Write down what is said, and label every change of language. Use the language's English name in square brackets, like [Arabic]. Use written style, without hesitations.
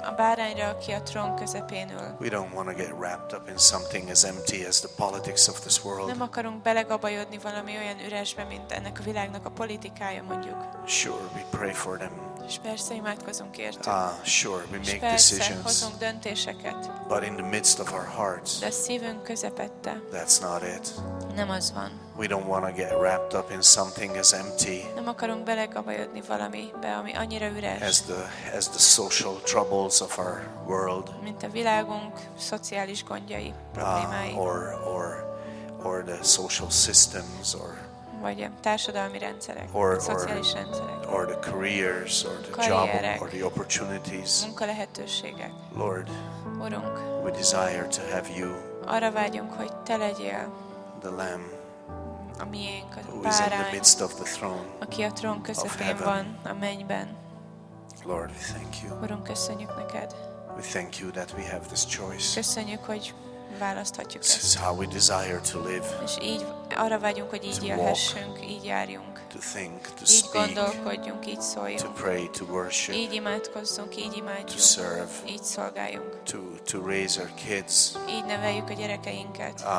[Hungarian] A bárányra, aki a trón közepén ül. [English] We don't want to get wrapped up in something as empty as the politics of this world. [Hungarian] Nem akarunk belegabajodni valami olyan üresbe, mint ennek a világnak a politikája, mondjuk. [English] Sure, we pray for them. [Hungarian] És persze, imádkozunk értük. [English] Sure, we make [Hungarian] persze, [English] decisions. [Hungarian] Hozunk döntéseket. [English] But in the midst of our hearts. [Hungarian] De a szívünk közepette. [English] That's not it. [Hungarian] Nem az van. [English] We don't want to get wrapped up in something as empty. [Hungarian] Nem akarunk belegabajodni valamibe, ami annyira üres. [English] As the social troubles of our world. [Hungarian] Mint a világunk szociális gondjai, problémái. [English] Or the social systems or [Hungarian] vagy a társadalmi rendszerek, szociális rendszerek. [English] Or the careers, or the job, or the opportunities. [Hungarian] Munkalehetőségek. [English] Lord, [Hungarian] Urunk, [English] we desire to have you. [Hungarian] Arra vágyunk, hogy te legyél. [English] The Lamb, [Hungarian] a miénk, a [English] who [Hungarian] bárány, [English] is in the midst of the throne. [Hungarian] Aki a trón közepén van, a mennyben. [English] Lord, we thank you. [Hungarian] Urunk, köszönjük neked. [English] We thank you that we have this choice. [Hungarian] Köszönjük, hogy választhatjuk ezt. [English] This is how we desire to live. [Hungarian] És így arra vágyunk, hogy így élhessünk, így járjunk. [English] To think, to [Hungarian] így [English] speak, [Hungarian] gondolkodjunk, így szóljunk. [English] To pray, to worship. [Hungarian] Így imádkozzunk, így imádjunk. [English] To serve. [Hungarian] Így szolgáljunk. [English] To raise our kids. [Hungarian] Így neveljük a gyerekeinket.